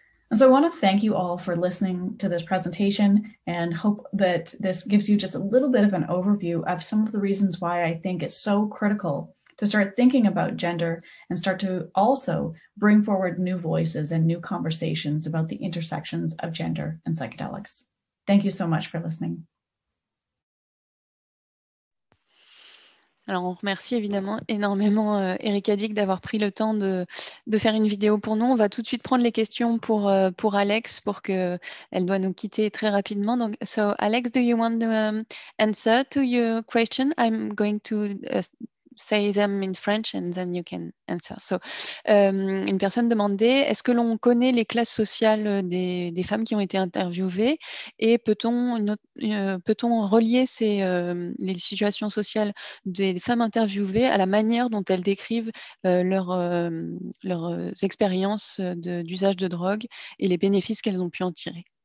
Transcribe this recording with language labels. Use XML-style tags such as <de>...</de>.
<en>And so I want to thank you all for listening to this presentation and hope that this gives you just a little bit of an overview of some of the reasons why I think it's so critical to start thinking about gender and start to also bring forward new voices and new conversations about the intersections of gender and psychedelics. Thank you so much for listening.</en> <fr>Alors, on remercie évidemment énormément Erika Dick d'avoir pris le temps de faire une vidéo pour nous. On va tout de suite prendre les questions pour Alex, pour que elle doit nous quitter très rapidement.</fr> <en>Donc, so Alex, do you want to answer to your question? I'm going to say them in French and then you can answer.</en> <fr>So, une personne demandait, est-ce que l'on connaît les classes sociales des femmes qui ont été interviewées et peut-on relier les situations sociales des femmes interviewées à la manière dont elles décrivent leurs expériences d'usage de drogue et les bénéfices qu'elles ont pu en tirer?</fr>